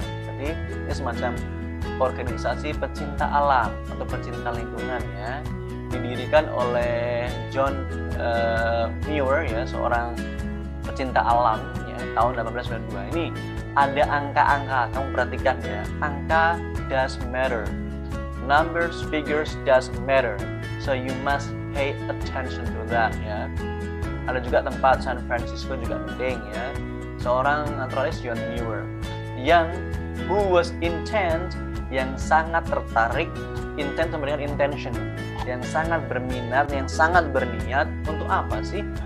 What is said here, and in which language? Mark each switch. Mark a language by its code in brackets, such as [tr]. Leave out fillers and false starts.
[id] Jadi, ini semacam organisasi pecinta alam atau pecinta lingkungan ya. Didirikan oleh John Muir ya, seorang pecinta alam ya, tahun 1892. Ini ada angka-angka, kamu perhatikan ya. [en] Angka does matter. Numbers, figures does matter. So you must pay attention to that ya. [id] Ada juga tempat San Francisco juga penting ya. Seorang naturalis John Muir yang sangat tertarik, intent sama dengan intention, yang sangat berminat, yang sangat berniat untuk apa sih?